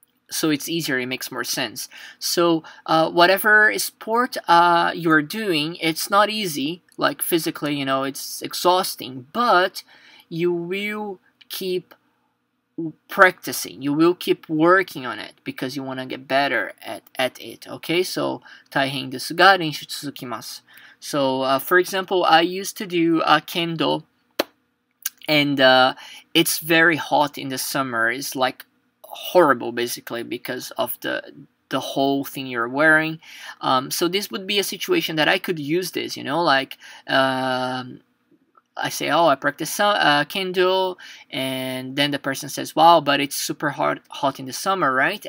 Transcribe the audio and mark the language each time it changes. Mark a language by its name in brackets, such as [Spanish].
[English] So it's easier, it makes more sense. So whatever sport you're doing, it's not easy, like physically, you know, it's exhausting, but you will keep practicing, you will keep working on it because you want to get better at it, okay? [Japanese] So, 大変ですが練習続きます。 [English] So, for example, I used to do kendo, and it's very hot in the summer, it's like horrible basically because of the whole thing you're wearing. So this would be a situation that I could use this, you know, like I say, oh, I practice kendo, and then the person says, wow, but it's super hot in the summer, right?